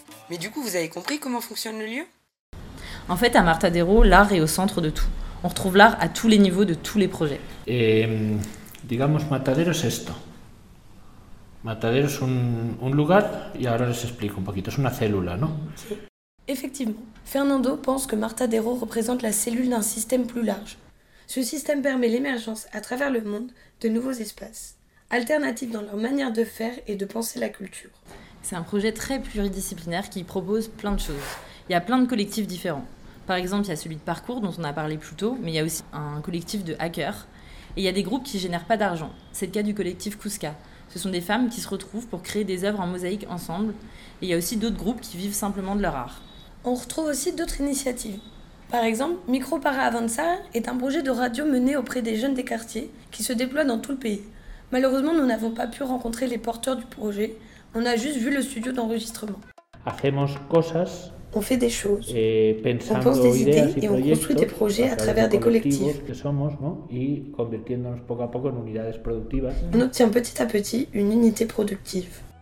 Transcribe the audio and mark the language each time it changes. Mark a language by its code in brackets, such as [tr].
[fr] Mais du coup, vous avez compris comment fonctionne le lieu ? En fait, à Martadero, l'art est au centre de tout. On retrouve l'art à tous les niveaux de tous les projets. [es] Et, digamos, Martadero es esto. Martadero es un lugar, y ahora les explico un poquito. Es una célula, ¿no? [fr] Effectivement, Fernando pense que Martadero représente la cellule d'un système plus large. Ce système permet l'émergence, à travers le monde, de nouveaux espaces, alternatifs dans leur manière de faire et de penser la culture. C'est un projet très pluridisciplinaire qui propose plein de choses. Il y a plein de collectifs différents. Par exemple, il y a celui de parcours dont on a parlé plus tôt, mais il y a aussi un collectif de hackers. Et il y a des groupes qui ne génèrent pas d'argent. C'est le cas du collectif Cusca. Ce sont des femmes qui se retrouvent pour créer des œuvres en mosaïque ensemble. Et il y a aussi d'autres groupes qui vivent simplement de leur art. On retrouve aussi d'autres initiatives. Par exemple, Micro para Avanzar est un projet de radio mené auprès des jeunes des quartiers qui se déploie dans tout le pays. Malheureusement, nous n'avons pas pu rencontrer les porteurs du projet. On a juste vu le studio d'enregistrement. [es] Hacemos cosas, [fr] on fait des choses. Et [es] pensando, [fr] on pense des idées et on construit des projets à travers des collectifs. [es] Que somos, no? Y convirtiéndonos poco a poco en unidades productivas. [fr] On obtient petit à petit une unité productive.